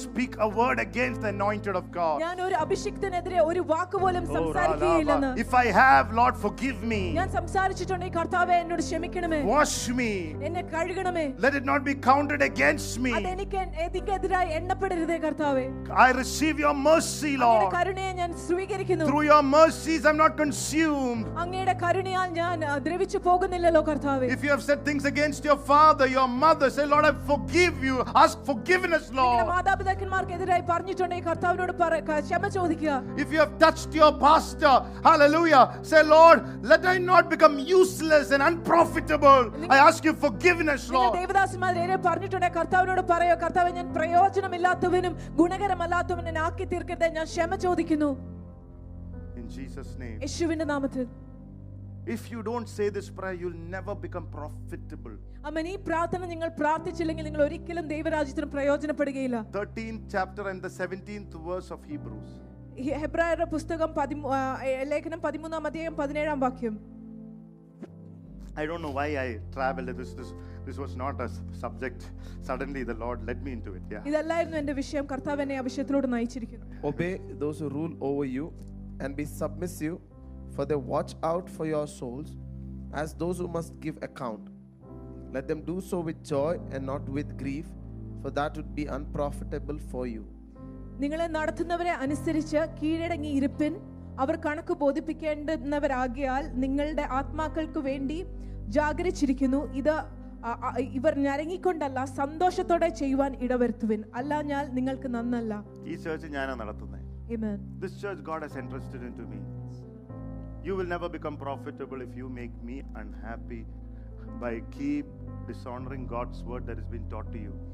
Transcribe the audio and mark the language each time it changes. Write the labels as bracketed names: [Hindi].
[English] Speak a word against the anointed of God. [Malayalam] ഞാൻ ഒരു അഭിഷിക്തനെതിരെ ഒരു വാക്ക് പോലും സംസാരിക്കുകയില്ലെന്ന്. [English] If I have, Lord, forgive me. [Malayalam] ഞാൻ സംസാരിച്ചിട്ടുണ്ടെങ്കിൽ കർത്താവേ എന്നോട് ക്ഷമിക്കണമേ. [English] Wash me. [Malayalam] എന്നെ കഴുകണമേ. [English] Let it not be counted against me. [Malayalam] അത് എനിക്ക് എതിരായി എണ്ണപ്പെടരുതേ കർത്താവേ. [English] I receive your mercy, Lord. [Malayalam] അങ്ങയുടെ കരുണയെ ഞാൻ സ്വീകരിക്കുന്നു. [English] Through your mercies I'm not consumed. [Malayalam] അങ്ങയുടെ കരുണയാൽ ഞാൻ ദ്രവിച്ചു പോകുന്നില്ലല്ലോ കർത്താവേ. [English] If you have said things against your father, your mother, say, Lord, I forgive you. Ask forgiveness, Lord. [Malayalam] നിങ്ങളുടെ മാതാപിതാക്കന്മാർക്ക് എതിരായി പറഞ്ഞിട്ടുണ്ടെങ്കിൽ കർത്താവിനോട് ക്ഷമ ചോദിക്കുക. [English] If you have touched your pastor, hallelujah, say, Lord, let I not become useless and unprofitable. I ask you forgiveness, Lord. [Malayalam] ദേവദാസന്മാരെ പറഞ്ഞിട്ടുണ്ട് കർത്താവിനോട് പറയോ, കർത്താവേ ഞാൻ പ്രയോജനമില്ലാത്തവനും ഗുണകരമല്ലാത്തവനും ആക്കി തീർക്കട്ടെ, ഞാൻ ക്ഷമ ചോദിക്കുന്നു. [English] In Jesus name. [Malayalam] യേശുവിന്റെ നാമത്തിൽ. [English] If you don't say this prayer, you'll never become profitable. [Malayalam] അമ്മേ, ഈ പ്രാർത്ഥന നിങ്ങൾ പ്രാർത്ഥിച്ചില്ലെങ്കിൽ നിങ്ങൾ ഒരിക്കലും ദൈവരാജ്യത്തിന് പ്രയോജനപ്പെടുകയില്ല. [English] 13th chapter and the 17th verse of Hebrews. [Malayalam] ഹെബ്രായരുടെ പുസ്തകം ലേഖനം 13th അധ്യായം 17th വാക്യം. [English] I don't know why I traveled. This was not a subject. Suddenly the Lord led me into it. Yeah. [Malayalam] ഇതല്ലായിരുന്നു എൻ്റെ വിഷയം. കർത്താവ് എന്നെ ആ വിഷയത്തിലോട്ട് നയിച്ചിരിക്കുന്നു. [English] Obey those who rule over you and be submissive, for they watch out for your souls as those who must give account. Let them do so with joy and not with grief, for that would be unprofitable for you. [Malayalam] നിങ്ങളെ നടത്തുന്നവരെ അനുസരിച്ച് കീഴടങ്ങി ഇരിപ്പിൻ. അവർ കണക്ക് ബോധിപ്പിക്കേണ്ടുന്നവരാകിയാൽ നിങ്ങളുടെ ആത്മാക്കൾക്ക് വേണ്ടി ജാഗരിച്ചിരിക്കുന്നു. ഇത് ഇവർ ഞരങ്ങിക്കൊണ്ടല്ല സന്തോഷത്തോടെ ചെയ്യുവാൻ ഇടവരുത്തുവിൻ, അല്ല ഞാൻ നിങ്ങൾക്ക് നന്നല്ല. ഈ ചർച്ച ഞാനാണ് നടത്തുന്നത്. [English] Amen. This church God has entrusted into me. You will never become profitable if you make me unhappy by keep dishonoring God's word that has been taught to you.